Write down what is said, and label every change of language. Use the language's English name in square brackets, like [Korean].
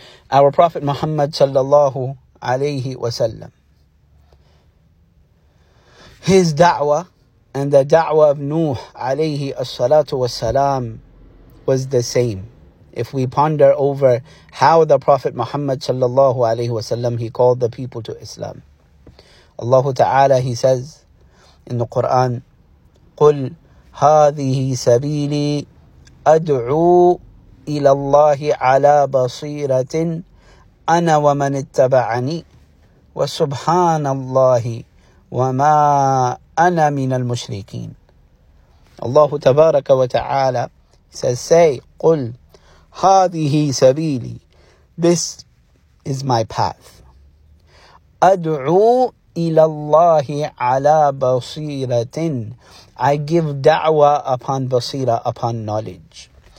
[English] Our Prophet Muhammad sallallahu alayhi wasallam, his da'wah and the da'wah of Nuh alayhi as-salatu was-salam was the same. If we ponder over how the Prophet Muhammad sallallahu alayhi wasallam, he called the people to Islam. Allah Ta'ala, he says in the Quran, [Arabic] قُلْ هَذِهِ سَبِيلِي أَدْعُو إِلَى اللَّهِ عَلَى بَصِيرَةٍ أَنَا وَمَنِ اتَّبَعَنِي وَسُبْحَانَ اللَّهِ وَمَا أَنَا مِنَ الْمُشْرِكِينَ. [English] Allah Tabaraka wa Ta'ala says, say, [Arabic] قُلْ هَذِهِ سَبِيلِي, [English] this is my path. [Arabic] أَدْعُو إِلَى اللَّهِ عَلَى بَصِيرَةٍ, [English] I give da'wah upon basira, upon knowledge.